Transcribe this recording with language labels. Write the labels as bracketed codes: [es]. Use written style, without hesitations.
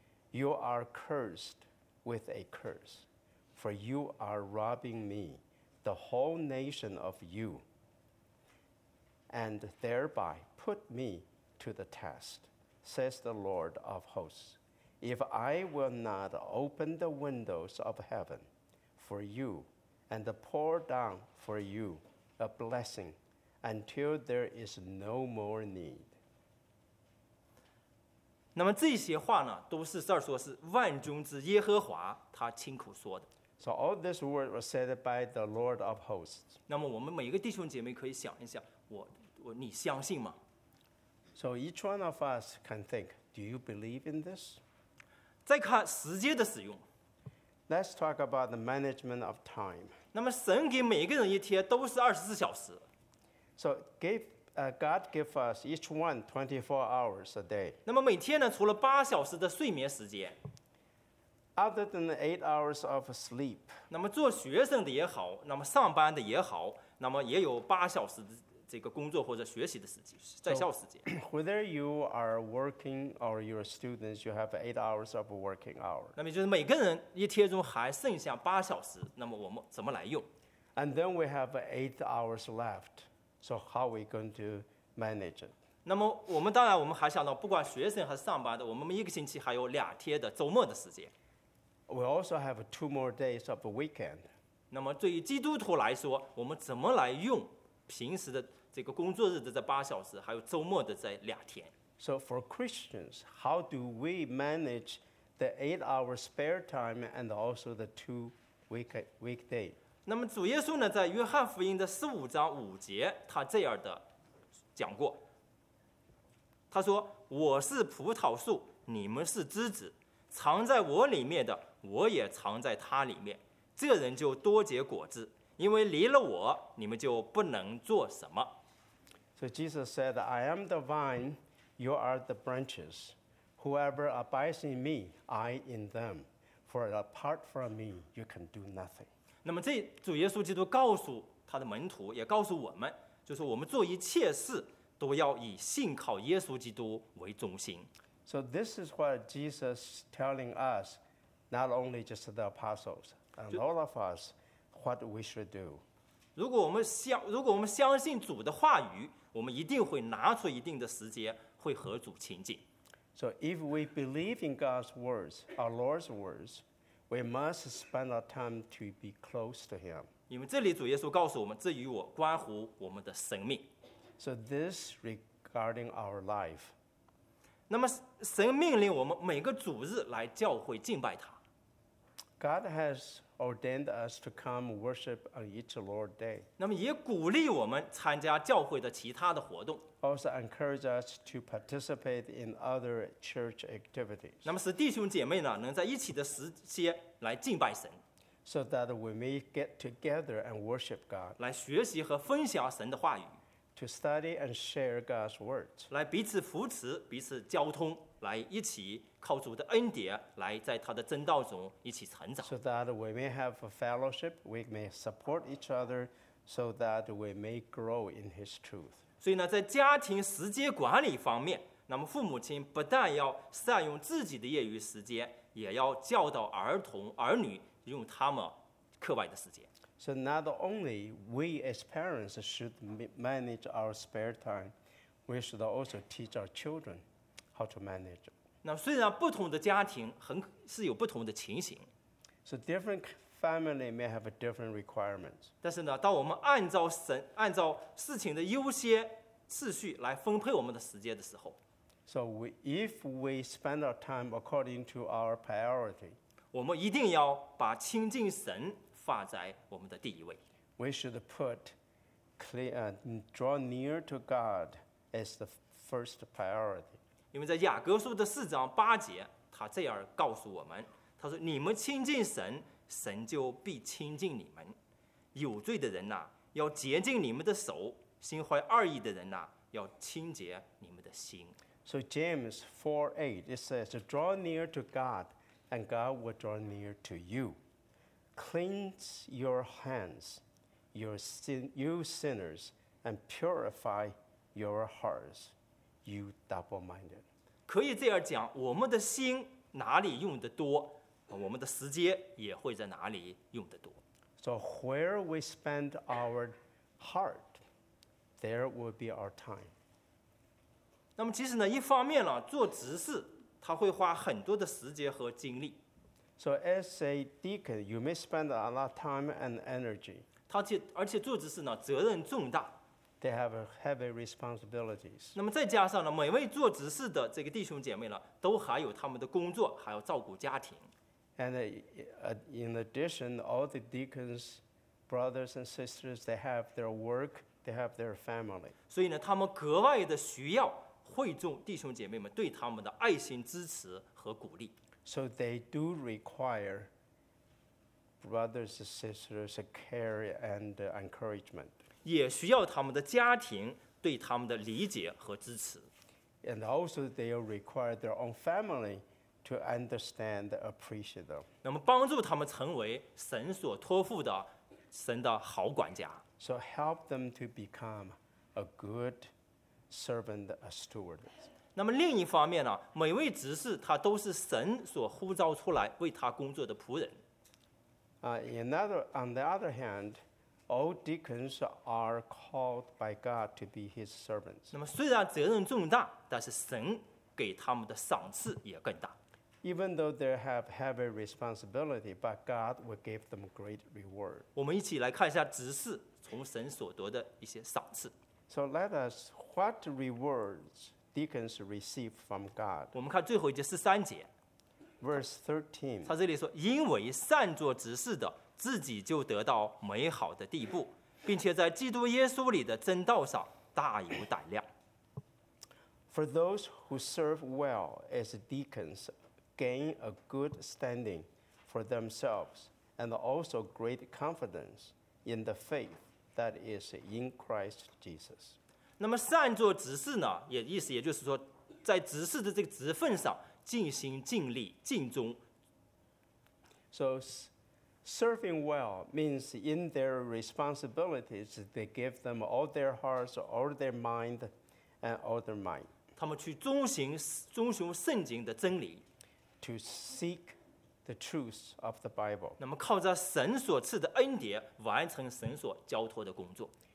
[en] You are cursed with a curse, for you are robbing me, the whole nation of you, and thereby put me to the test, says the Lord of hosts. If I will not open the windows of heaven for you and pour down for you a blessing until there is no more need. [zh] 那么这些话呢，都是这儿说是万军之耶和华他亲口说的。 [en] So all this word was said by the Lord of hosts. [zh] 那么我们每一个弟兄姐妹可以想一下，你相信吗 [en] ？So each one of us can think, do you believe in this? [zh] 再看时间的使用。 [en] Let's talk about the management of time. [zh] 那么神给每一个人一天都是二十四小时。 [en] So give. God give us each one 24 hours a day. [zh] 那么每天呢，除了八小时的睡眠时间 [en] ，other than 8 hours of sleep. [zh] 那么做学生的也好，那么上班的也好，那么也有八小时的这个工作或者学习的时间，在校时间。 [en] Whether you are working or you're students, you have 8 hours of working hour. [zh] 那么就是每个人一天中还剩下八小时，那么我们怎么来用 [en] ？And then we have 8 hours left. So how are we going to manage it? [zh] 那么我们当然我们还想到，不管学生还是上班的，我们一个星期还有两天的周末的时间。 [en] We also have two more days of a weekend. [zh] 那么对于基督徒来说，我们怎么来用平时的这个工作日的这八小时，还有周末的这两天 [en] ？So for Christians, how do we manage the 8 hour spare time and also the two weekday? [zh] 那么主耶稣呢，在约翰福音的十五章五节，他这样的讲过。他说：“我是葡萄树，你们是枝子，藏在我里面的，我也藏在他里面。这人就多结果子，因为离了我，你们就不能做什么。” [en] So Jesus said, "I am the vine; you are the branches. Whoever abides in me, I in them. For apart from me, you can do nothing." [zh] 那么这主耶稣基督告诉他的门徒，也告诉我们，就是我们做一切事都要以信靠耶稣基督为中心。 [en] So this is what Jesus telling us, not only just the apostles and all of us, what we should do. [zh] 如果我们相信主的话语，我们一定会拿出一定的时间会和主亲近。 [en] So if we believe in God's words, our Lord's words. We must spend our time to be close to Him. [zh] 因为这里主耶稣告诉我们，这与我关乎我们的生命。 [en] So this regarding our life. [zh] 那么神命令我们每个主日来教会敬拜他。 [en] God has ordained us to come worship on each Lord's Day. [zh] 那么也鼓励我们参加教会的其他的活动。 [en] Also encourage us to participate in other church activities. [zh] 那么使弟兄姐妹呢能在一起的时间来敬拜神。 [en] So that we may get together and worship God. [zh] 来学习和分享神的话语。 [en] To study and share God's word. [zh] 来彼此扶持，彼此交通。来一起靠主的恩典，来在他的真道中一起成长。 [en] So that we may have a fellowship, we may support each other, so that we may grow in His truth. [zh] 所以呢，在家庭时间管理方面，那么父母亲不但要善用自己的业余时间，也要教导儿童儿女用他们课外的时间。 [en] So not only we as parents should manage our spare time, we should also teach our children. How to manage? [zh] 那虽然不同的家庭很是有不同的情形 [en] ，so different family may have a different requirements. [zh] 但是呢，当我们按照神按照事情的优先次序来分配我们的时间的时候 [en] ，so we if we spend our time according to our priority, [zh] 我们一定要把亲近神放在我们的第一位。 [en] We should put draw near to God as the first priority. [zh] 因为在雅各书的四章八节，他这样告诉我们：“他说，你们亲近神，神就必亲近你们。有罪的人呐、啊，要洁净你们的手；心怀二意的人呐、啊，要清洁你们的心。” [en] So James 4:8, it says, draw near to God, and God will draw near to you. Cleanse your hands, you sinners, and purify your hearts, you double-minded. [zh] 可以这样讲，我们的心哪里用得多，我们的时间也会在哪里用得多。 [en] So where we spend our heart, there will be our time. [zh] 那么其实呢，一方面呢，做执事他会花很多的时间和精力。 [en] So as a deacon, you may spend a lot of time and energy. [zh] 而且做执事呢，责任重大。 [en] They have heavy responsibilities. [zh] 那么再加上呢，每位做执事的这个弟兄姐妹呢，都还有他们的工作，还要照顾家庭。 [en] And in addition, all the deacons, brothers and sisters, they have their work, they have their family. [zh] 所以呢，他们格外的需要。会众弟兄姐妹们对他们的爱心支持和鼓励。 [en] So they do require brothers and sisters care and encouragement. [zh] 也需要他们的家庭对他们的理解和支持。 [en] And also they require their own family to understand and appreciate them. [zh] 那么帮助他们成为神所托付的神的好管家。 [en] So help them to become a good servant, a steward. [zh] 那么另一方面呢，每位执事他都是神所呼召出来为他工作的仆人。 [en] On the other hand, all deacons are called by God to be His servants. [zh] 那么虽然责任重大，但是神给他们的赏赐也更大。 [en] Even though they have heavy responsibility, but God will give them great reward. [zh] 我们一起来看一下执事从神所得的一些赏赐。 [en] So let us, what rewards deacons receive from God? [zh] 我们看最后一节十三节 [en] ，verse 13. [zh] 他这里说，因为善做执事的，自己就得到美好的地步，并且在基督耶稣里的真道上大有胆量。 [en] For those who serve well as deacons gain a good standing for themselves and also great confidence in the faith. That is in Christ Jesus. [zh] 那么善做执事呢，也意思也就是说，在执事的这个职分上尽心尽力尽忠。 [en] So serving well means in their responsibilities, they give them all their hearts, all their mind, and all their might. [zh] 他们去遵循圣经的真理。 [en] To seek the truth of the Bible. [zh] 那么靠着神所赐的恩典完成神所交托的工作。